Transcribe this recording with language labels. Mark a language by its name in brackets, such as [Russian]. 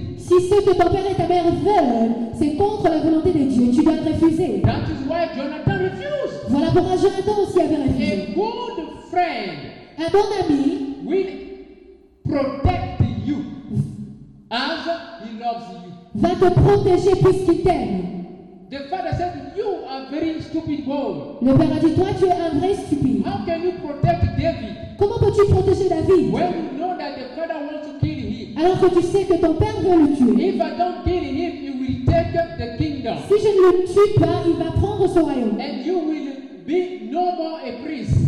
[French] Si ce que ton père et ta mère veulent, c'est contre la volonté de Dieu, tu dois refuser. [English] That is why Jonathan refused. [French] Voilà pourquoi Jonathan aussi avait refusé. [English] A good friend, [French] un bon ami, [English] will protect you as he loves you. [French] Va te protéger puisqu'il t'aime. [English] The father said, "You are very stupid boy." [French] Le père a dit, toi tu es un vrai stupide. [English] How can you protect David? [French] Comment peux-tu protéger David? [English] When you know that the father wants to kill him. [French] Alors que tu sais que ton père veut le tuer. [English] If I don't kill him, he will take the kingdom. [French] Si je ne le tue pas, il va prendre son royaume. [English] And you will be no more a priest.